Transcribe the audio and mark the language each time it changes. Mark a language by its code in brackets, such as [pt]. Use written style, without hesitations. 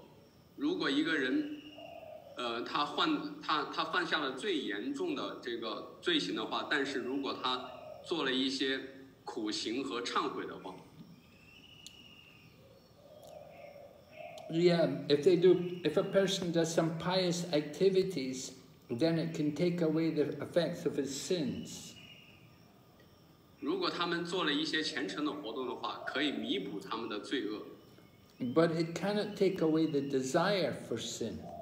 [zh] 他说如果一个人 他犯下了最严重的这个罪行的话，但是如果他做了一些苦行和忏悔的话， [en] yeah, if a person does some pious activities, then it can take away the effects of his sins. [zh] 如果他们做了一些虔诚的活动的话，可以弥补他们的罪恶， [en] but it cannot take away the desire for sin.